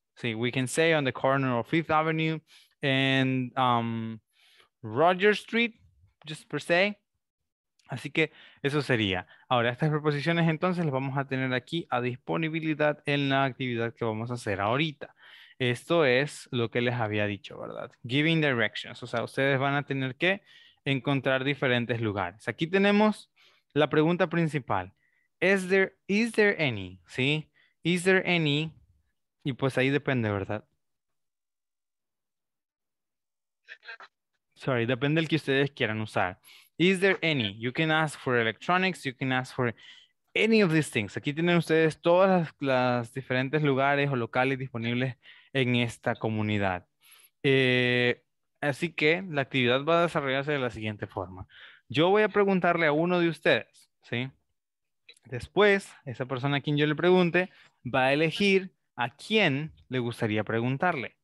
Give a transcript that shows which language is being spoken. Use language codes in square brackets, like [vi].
[en] Sí, we can say on the corner of Fifth Avenue and Rogers Street, just per se. [es] Así que eso sería. Ahora, estas preposiciones entonces las vamos a tener aquí a disponibilidad en la actividad que vamos a hacer ahorita. Esto es lo que les había dicho, ¿verdad? Giving directions. O sea, ustedes van a tener que encontrar diferentes lugares. Aquí tenemos la pregunta principal. [en] Is there any? [es] ¿Sí? Is there any? Y pues ahí depende, ¿verdad? Sorry, depende del que ustedes quieran usar. [en] Is there any? You can ask for electronics, you can ask for any of these things. [es] Aquí tienen ustedes todas las diferentes lugares o locales disponibles en esta comunidad. Así que la actividad va a desarrollarse de la siguiente forma. Yo voy a preguntarle a uno de ustedes, ¿sí? Después, esa persona a quien yo le pregunte va a elegir a quién le gustaría preguntarle.